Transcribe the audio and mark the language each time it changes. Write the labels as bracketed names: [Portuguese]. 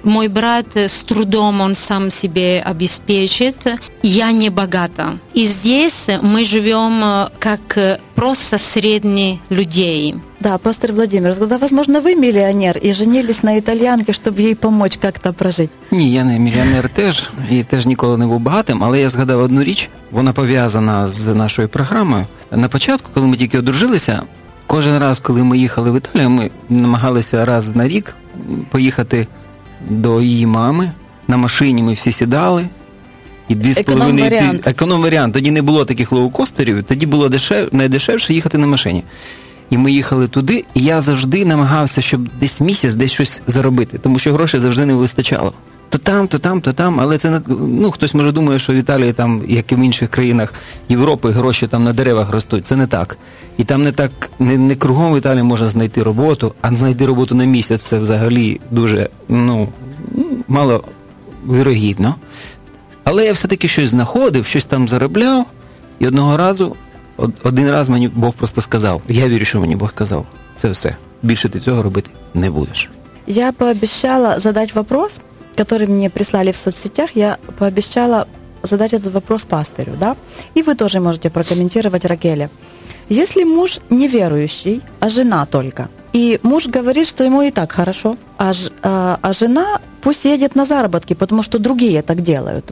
[Russian] Мой брат с трудом, он сам себе обеспечит. Я не богата. И здесь мы живем как просто средние людей. Да, пастор Владимир, тогда, возможно, вы миллионер и женились на итальянке, чтобы ей помочь как-то прожить. [Ukrainian] Ні, я не мільйонер теж, і теж ніколи не був багатим, але я згадав одну річ, вона пов'язана з нашою програмою. На початку, коли ми тільки одружилися, кожен раз, коли ми їхали в Італію, ми намагалися раз на рік поїхати до її мами, на машині ми всі сідали. І 2,5 Економ-варіант. Тоді не було таких лоукостерів, тоді було найдешевше їхати на машині. І ми їхали туди, і я завжди намагався, щоб десь місяць, десь щось заробити, тому що грошей завжди не вистачало. То там, то там, то там, але це, ну, хтось може думає, що в Італії, там, як і в інших країнах Європи, гроші там на деревах ростуть. Це не так. І там не так, не кругом в Італії можна знайти роботу, а знайти роботу на місяць – це взагалі дуже, ну, маловірогідно. Але я все-таки щось знаходив, щось там заробляв, і одного разу, один раз мені Бог просто сказав, я вірю, що мені Бог сказав, це все, більше ти цього робити не будеш. [Russian] Я пообіцяла задати вопрос, который мне прислали в соцсетях, я пообещала задать этот вопрос пастырю, да? И вы тоже можете прокомментировать, Ракеле. Если муж неверующий, а жена только, и муж говорит, что ему и так хорошо, а жена пусть едет на заработки, потому что другие так делают.